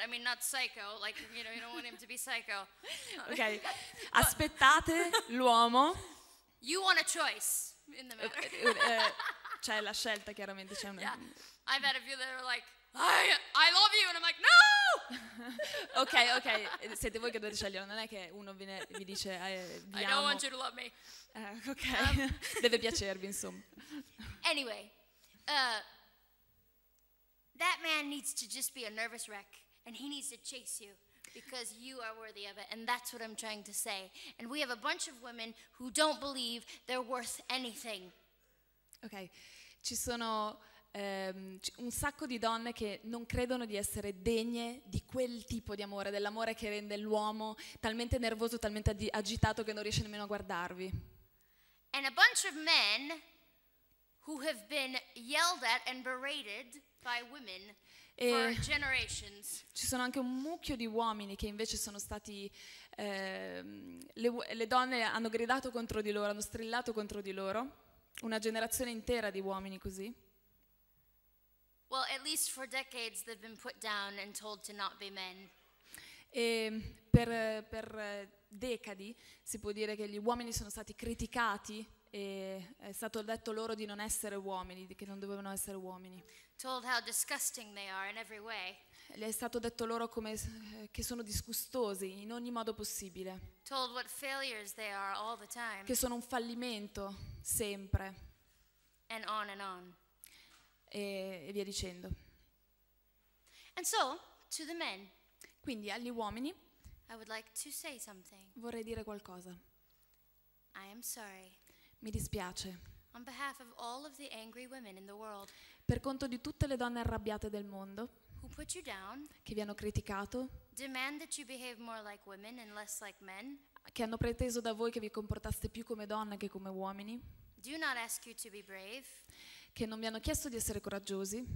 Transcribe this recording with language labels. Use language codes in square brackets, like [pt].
[en] I mean, not psycho, like, you know, you don't want him to be psycho. [it] Ok, aspettate l'uomo. [en] You want a choice in the matter. [it] C'è la scelta, chiaramente. C'è una... [en] Yeah, I've had a few that are like, I love you, and I'm like, no! [it] Ok, ok, siete voi che dovete scegliere, non è che uno viene, vi dice, vi [en] I [it] amo. [en] I don't want you to love me. [it] Ok, deve piacervi, insomma. [en] Anyway, that man needs to just be a nervous wreck, and he needs to chase you. Because you are worthy of it, and that's what I'm trying to say. And we have a bunch of women who don't believe they're worth anything. [it] Okay, ci sono un sacco di donne che non credono di essere degne di quel tipo di amore, dell'amore che rende l'uomo talmente nervoso, talmente agitato che non riesce nemmeno a guardarvi. [en] And a bunch of men who have been yelled at and berated by women. [it] E [en] for generations. [it] Ci sono anche un mucchio di uomini che invece sono stati le donne hanno gridato contro di loro, hanno strillato contro di loro, una generazione intera di uomini così. [en] Well, at least for decades they've been put down and told to not be men. [it] E per decadi si può dire che gli uomini sono stati criticati e è stato detto loro di non essere uomini, che non dovevano essere uomini. [en] Told how disgusting they are in every way. [it] Le è stato detto loro come che sono disgustosi in ogni modo possibile. [en] Told what failures they are all the time. [it] Che sono un fallimento sempre. [en] And on and on. [it] E via dicendo. [en] And so to the men. [it] Quindi agli uomini. [en] I would like to say something. [it] Vorrei dire qualcosa. [en] I am sorry. [it] Mi dispiace. [en] On behalf of all of the angry women in the world. [it] Per conto di tutte le donne arrabbiate del mondo [en] who put you down, [it] che vi hanno criticato, [en] demand that you behave more like women and less like men, [it] che hanno preteso da voi che vi comportaste più come donne che come uomini, [en] do not ask you to be brave, [it] che non vi hanno chiesto di essere coraggiosi,